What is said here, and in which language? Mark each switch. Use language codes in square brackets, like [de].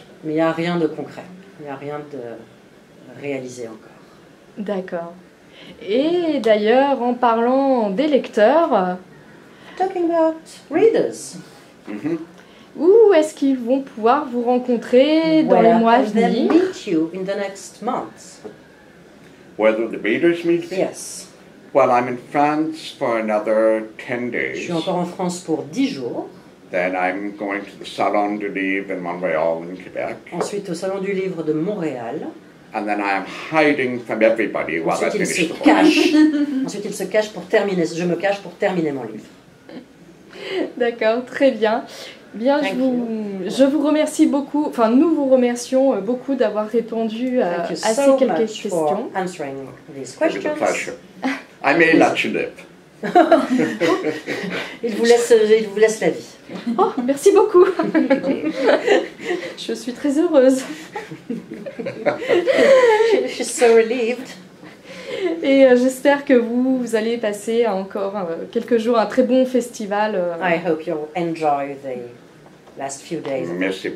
[fr] Mais il n'y a rien de concret. Il n'y a rien de réalisé encore. D'accord. Et d'ailleurs, en parlant des lecteurs. [en] Talking about readers. [fr] Où est-ce qu'ils vont pouvoir vous rencontrer dans les mois à venir? [en] Where will they meet you in the next months? Where the readers meet me? Yes. Well, I'm in France for another 10 days. [fr] Je suis encore en France pour 10 jours. [en] Then I'm going to the Salon du Livre in Montréal in Quebec. [fr] Ensuite au Salon du Livre de Montréal. [en] And then I am hiding from everybody [fr] ensuite, [en] while I finish the book. [fr] Ensuite il se cache pour terminer. Je me cache pour terminer mon livre. D'accord, très bien. Bien, je vous remercie beaucoup. Enfin, nous vous remercions beaucoup d'avoir répondu à ces quelques questions. [en] Thank you so much for answering these questions. It was a pleasure. I may let you live. [fr] Il vous laisse la vie. Oh, merci beaucoup. Je suis très heureuse. [en] She's so relieved. [fr] Et j'espère que vous allez passer encore quelques jours un très bon festival. [en] I hope you'll enjoy the last few days of